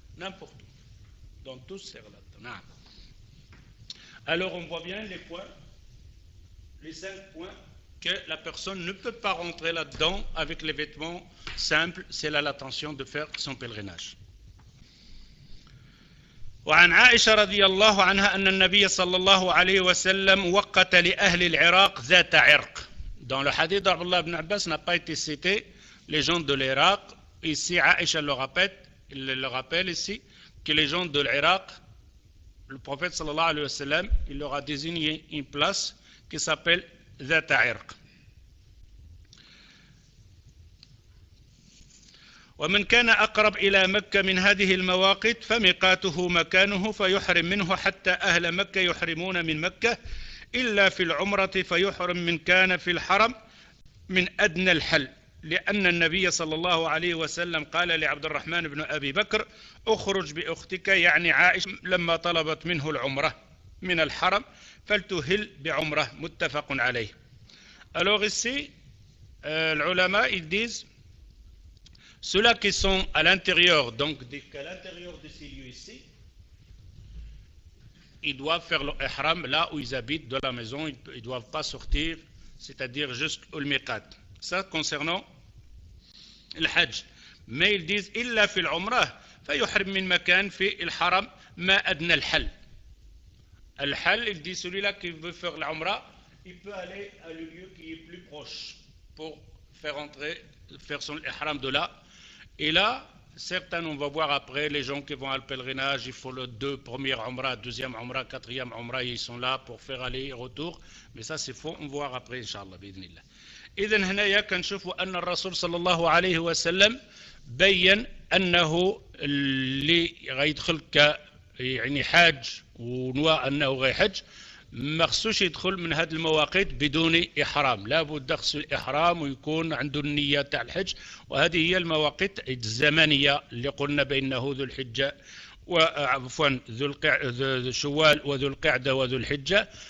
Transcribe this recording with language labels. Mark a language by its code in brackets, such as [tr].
[fr] N'importe où. Dans tout ce là-dedans. Alors, on voit bien les points, les 5 points, que la personne ne peut pas rentrer là-dedans avec les vêtements simples, si elle a l'intention de faire son pèlerinage. [ar] وعن عائشة رضي الله عنها أن النبي صلى الله عليه وسلم وقت لأهل العراق ذات عرق. [fr] Dans le hadith d'Abd Allah ibn Abbas n'a pas été cité les gens de l'Irak. Ici, Aïcha le rappelle ici que les gens de l'Irak, le prophète [ar] صلى الله عليه وسلم, [fr] il leur a désigné une place qui s'appelle ذات عرق. [ar] ومن كان أقرب إلى مكة من هذه المواقيت فميقاته مكانه فيحرم منه حتى أهل مكة يحرمون من مكة إلا في العمرة فيحرم من كان في الحرم من أدنى الحل، لأن النبي صلى الله عليه وسلم قال لعبد الرحمن بن أبي بكر: أخرج بأختك، يعني عائشة، لما طلبت منه العمرة من الحرم، فلتهل بعمرة. متفق عليه. [fr] Alors ici, العلماء ils disent, ceux-là qui sont à l'intérieur, donc à l'intérieur de ces lieux ici, ils doivent faire leur ihram là où ils habitent, de la maison, ils ne doivent pas sortir, c'est-à-dire jusqu'au miqat. Ça concernant le hajj. Mais ils disent, [ar] illa fil umra, fa yuhrim min makan fi il haram ma adna al hal. [fr] Al hal, ils disent, celui-là qui veut faire l'umra, il peut aller à le lieu qui est plus proche pour faire entrer, faire son ihram de là. Et là, certains, on va voir après, les gens qui vont à le pèlerinage, il faut le deux, premier omra, deuxième omra, quatrième omra, ils sont là pour faire aller-retour. Mais ça, c'est faux, on va voir après, inshallah, bidnillah. [ar] إذن هنا يكن شوفوا أن الرسول صلى الله عليه وسلم بيّن أنه اللي غيدخل يعني حاج ونوى أنه غيحج مخصوش يدخل من هذه المواقيت بدون إحرام، لابد يخصو الإحرام ويكون عنده النية تاع الحج، وهذه هي المواقيت الزمنية اللي قلنا بأنه ذو الحجة وعفوا ذو شوال وذو القعدة وذو الحجة.